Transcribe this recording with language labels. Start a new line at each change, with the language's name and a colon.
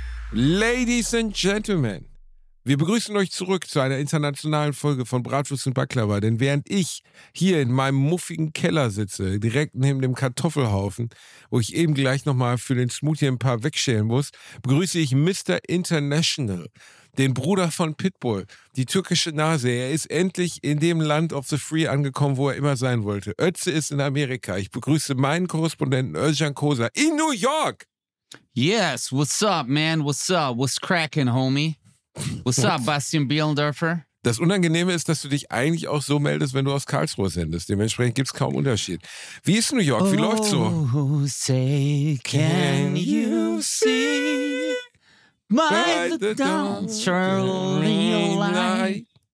English: Ladies and Gentlemen,
German: wir begrüßen euch zurück zu einer internationalen Folge von Bratwurst und Baklava, denn während ich hier in meinem muffigen Keller sitze, direkt neben dem Kartoffelhaufen, wo ich eben gleich nochmal für den Smoothie ein paar wegschälen muss, begrüße ich Mr. International, den Bruder von Pitbull, die türkische Nase. Er ist endlich in dem Land of the Free angekommen, wo er immer sein wollte. Ötze ist in Amerika. Ich begrüße meinen Korrespondenten Özcan Kosa in New York.
English: Yes, what's up, man? What's up? What's cracking, homie? What's up, Bastian Bielendorfer?
German: Das Unangenehme ist, dass du dich eigentlich auch so meldest, wenn du aus Karlsruhe sendest. Dementsprechend gibt es kaum Unterschied. Wie ist New York? Wie läuft's so?
English: Oh, say, can you see by the dawn's early light?